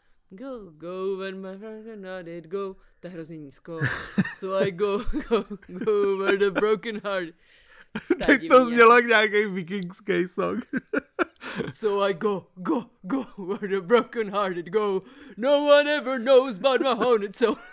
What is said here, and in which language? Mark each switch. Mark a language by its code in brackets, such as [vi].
[en] Go, go, when my broken heart did go. [cs] To je hrozně nízko. [en] So I go, go, go, where the broken heart. [cs] Tak to znělo jak nějaký vikingský song. [en] So I go, go, go, where the broken heart did go. No one ever knows but my own it so.